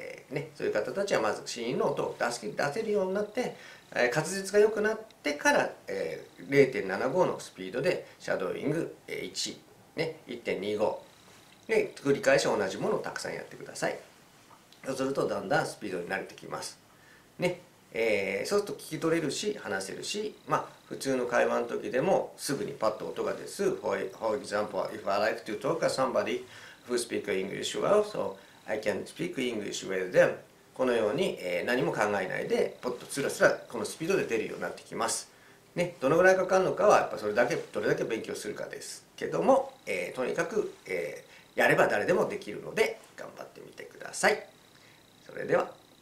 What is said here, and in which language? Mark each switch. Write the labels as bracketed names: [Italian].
[Japanese] ね、そういう方たちはまず子音の音を出せるようになって、滑舌が良くなってから、0.75 のスピードでシャドーイング1、ね、1.25 で繰り返し同じものをたくさんやってください。そうするとだんだんスピードに慣れてきますね。そうすると聞き取れるし話せるし、まあ普通の会話の時でもすぐにパッと音が出す。 [English] For example, if I like to talk to somebody who speaks English well, so I can speak English with them. [Japanese] このように、何も考えないでポッとスラスラこのスピードで出るようになってきますね。どのぐらいかかるのかはやっぱそれだけどれだけ勉強するかですけども、とにかく、やれば誰でもできるので頑張ってみてください。それでは。